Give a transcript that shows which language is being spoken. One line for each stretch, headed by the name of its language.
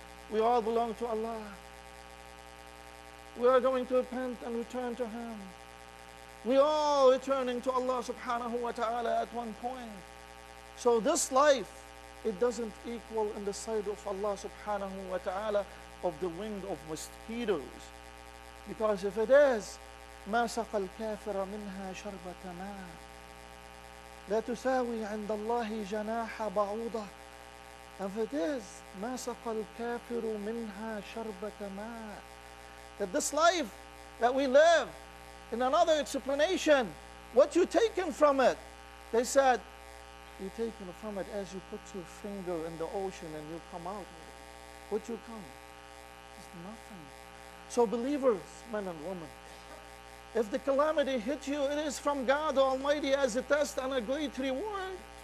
English: We all belong to Allah. We are going to repent and return to Him. We all returning to Allah subhanahu wa ta'ala at one point. So this life, it doesn't equal in the sight of Allah subhanahu wa ta'ala of the wing of mosquitoes. Because if it is,
Arabic: ما سقى الكافر منها شربة ماء لا تساوي عند الله جناح بعوضة.
English: If it is,
Arabic: ما سقى الكافر منها شربة ماء.
English: That this life that we live, in another explanation, what you taken from it? They said, you taken from it as you put your finger in the ocean and you come out. What you come? It's nothing. So believers, men and women, if the calamity hit you, it is from God Almighty as a test and a great reward.